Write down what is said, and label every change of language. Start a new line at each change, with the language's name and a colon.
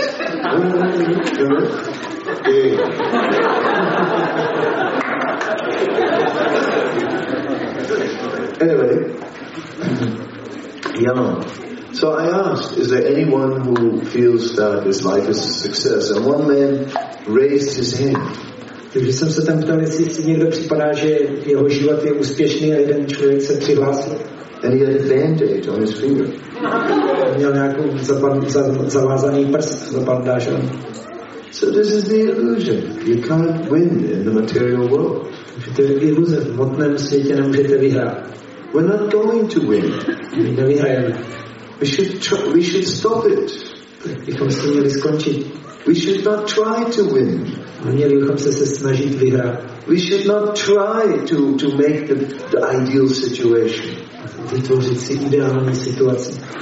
English: Anyway, so I asked, is there anyone who feels that his life is a success? And one man raised his hand.
Czech: Takže jsem se tam ptal, jestli někdo připadá, že jeho život je úspěšný, a jeden člověk se přihlásil.
English: And he had a bandage on his finger.
Czech: Měl nějakou zavázaný prst, zabandáž.
English: So this is the illusion. You can't win in the material world.
Czech: Takže to je iluze. V hmotném světě nemůžete vyhrát.
English: We're not going to win.
Czech: Nevyhrajeme.
English: We should stop it.
Czech: Bychom se měli skončit.
English: We should not try to win.
Czech: Měli bychom se snažit vyhrát.
English: We should not try to make the ideal situation.
Czech: Vytvořit si ideální situaci.